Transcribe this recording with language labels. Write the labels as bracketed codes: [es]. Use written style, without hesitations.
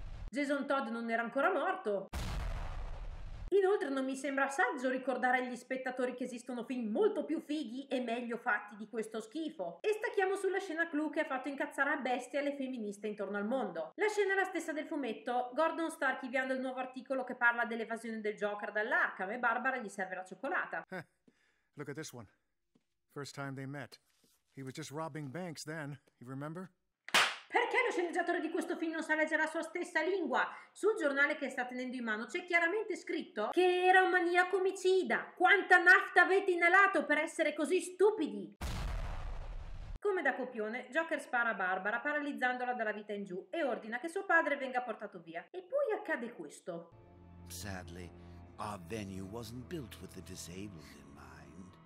[it] Jason Todd non era ancora morto. Inoltre non mi sembra saggio ricordare agli spettatori che esistono film molto più fighi e meglio fatti di questo schifo. E stacchiamo sulla scena clou che ha fatto incazzare a bestia le femministe intorno al mondo. La scena è la stessa del fumetto, Gordon sta archiviando il nuovo articolo che parla dell'evasione del Joker dall'Arkham e Barbara gli serve la cioccolata. [en] Look at this one. First time they met. He was just robbing banks then, you remember? [it] Perché lo sceneggiatore di questo film non sa leggere la sua stessa lingua? Sul giornale che sta tenendo in mano c'è chiaramente scritto che era un maniaco omicida. Quanta nafta avete inalato per essere così stupidi? Come da copione, Joker spara a Barbara paralizzandola dalla vita in giù e ordina che suo padre venga portato via. E poi accade questo. [en] Sadly, our venue wasn't built with the disabled in mind.